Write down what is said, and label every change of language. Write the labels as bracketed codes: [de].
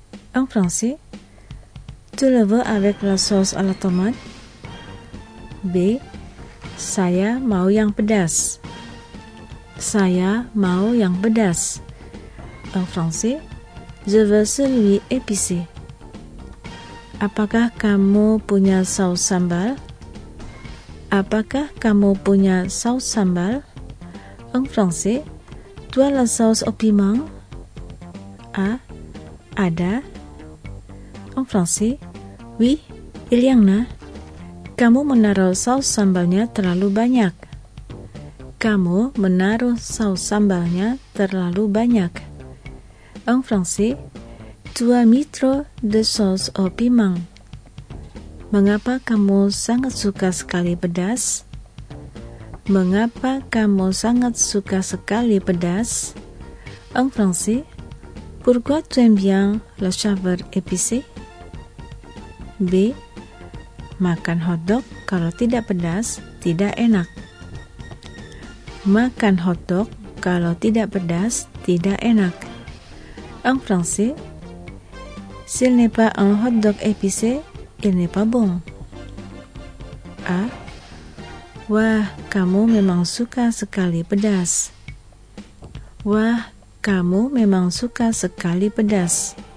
[fr] En français, tu le veux avec la sauce à la tomate? B. [id] Saya mau yang pedas. Saya mau yang pedas. [fr] En français, je veux celui épicé. [id] Apakah kamu punya saus sambal? Apakah kamu punya saus sambal? [fr] En français, tu as la sauce au piment? A. [id] Ada. [fr] En français, oui, il y en a. [id] Kamu menaruh saus sambalnya terlalu banyak. Kamu menaruh saus sambalnya terlalu banyak. [fr] En français, tu as mis trop de sauce au piment. [id] Mengapa kamu sangat suka sekali pedas? Mengapa kamu sangat suka sekali pedas? [fr] En français, pourquoi tu aimes bien la saveur épicée? B. [id] Makan hotdog kalau tidak pedas, tidak enak. Makan hotdog kalau tidak pedas, tidak enak. [fr] En français, s'il n'est pas un hotdog épicé, il n'est pas bon. A. [id] Wah, kamu memang suka sekali pedas. Wah, kamu memang suka sekali pedas.